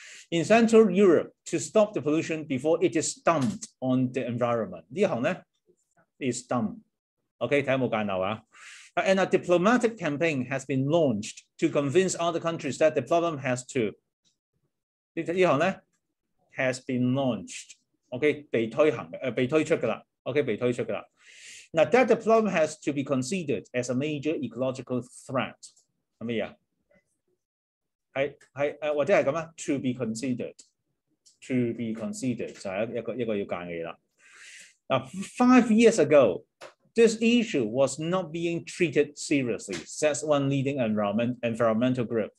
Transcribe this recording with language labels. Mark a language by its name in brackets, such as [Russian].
[English] In Central Europe to stop the pollution before it is dumped on the environment， [Cantonese] 呢行咧 [English] is dumped。 [Cantonese] OK， 睇下冇間漏啊。 [English] And a diplomatic campaign has been launched to convince other countries that the problem has to [Cantonese] 呢行咧 [English] has been launched。 [Cantonese] OK， 被推行嘅，被推出嘅啦。 OK， 被推出嘅啦。 [English] Now that the problem has to be considered as a major ecological threat， [Cantonese] 係咩嘢啊？係或者係咁啊 ， [English] to be considered，to be considered [Cantonese] 就係一個要揀嘅嘢啦。 [English] 嗱 ，5 years ago， this issue was not being treated seriously， says one leading environmental group。